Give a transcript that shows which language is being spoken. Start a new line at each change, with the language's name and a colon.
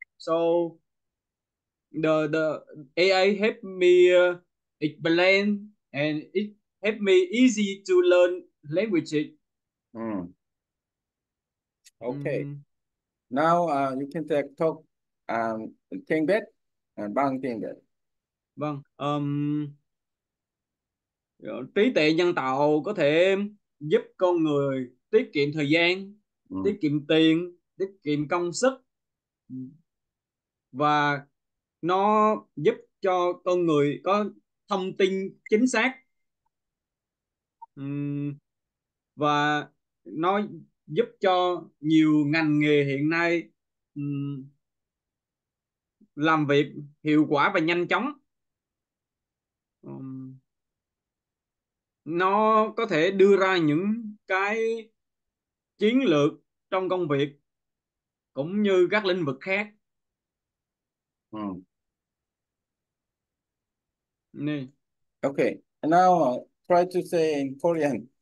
English: So the AI help me explain and it help me easy to learn languages. Okay. Now you can take talk
Vietnamese: tiếng Việt bằng tiếng Việt. Vâng, trí tuệ nhân tạo có thể giúp con người tiết kiệm thời gian, tiết kiệm tiền, tiết kiệm công sức, và nó giúp cho con người có thông tin chính xác, và nó giúp cho nhiều ngành nghề hiện nay làm việc hiệu quả và nhanh chóng. Nó có thể đưa ra những cái chiến lược trong công việc cũng như các lĩnh vực khác. Nên
English: Okay, and now try to say in Korean.